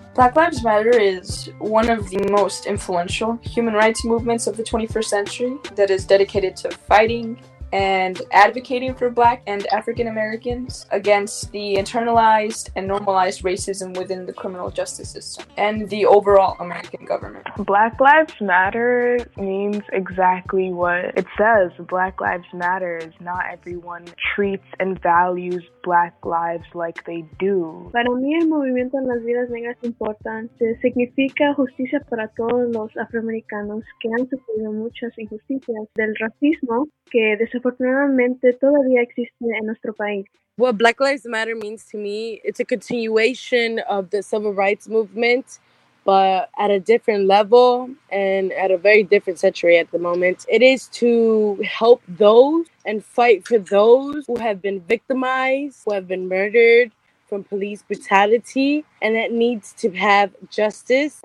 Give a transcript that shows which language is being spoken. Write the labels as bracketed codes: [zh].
[en] Black Lives Matter is one of the most influential human rights movements of the 21st century that is dedicated to fighting and advocating for Black and African Americans against the internalized and normalized racism within the criminal justice system and the overall American government. Black Lives Matter means exactly what it says. Black Lives Matter is not everyone treats and values Black lives like they do. [es] Para mí el movimiento en las vidas negras importante significa justicia para todos los afroamericanos que han sufrido muchas injusticias del racismo que desafortunadamente todavía existe en nuestro país. [en] What Black Lives Matter means to me, it's a continuation of the civil rights movement, but at a different level and at a very different century at the moment. It is to help those and fight for those who have been victimized, who have been murdered from police brutality, and that needs to have justice.